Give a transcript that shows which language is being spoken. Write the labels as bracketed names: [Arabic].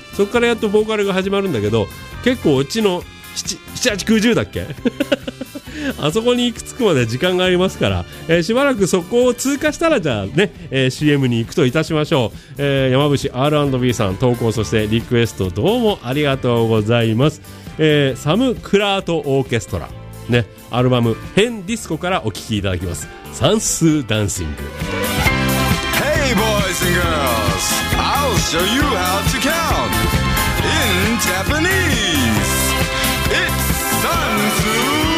[Japanese] そこからやっとボーカルが始まるんだけど、結構うちの 7、8、90だっけあそこに行き着くまで時間がありますから、しばらくそこを通過したらじゃあね、CM に行くといたしましょう。山伏 R&B さん投稿そしてリクエストどうもありがとうございます。サム・クラート・オーケストラね、アルバム「ヘン・ディスコ」からお聴きいただきます。算数ダンシング。 [English] Hey boys and girls, I'll show you how to count in Japanese. It's 算数